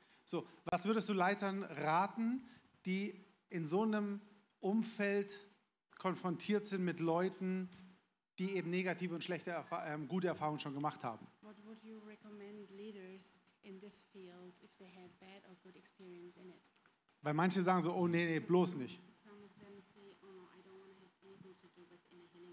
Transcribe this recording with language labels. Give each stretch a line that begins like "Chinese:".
German: So, was würdest du Leitern raten, die in so einem Umfeld konfrontiert sind mit Leuten, die eben negative und schlechte gute Erfahrungen schon gemacht haben?
English: What would you recommend leaders in this field if they had bad or good experience in it?
German: Weil manche sagen so, oh nee, bloß nicht.
English: Some of them say, oh no, I don't want to have anything to do with inner healing.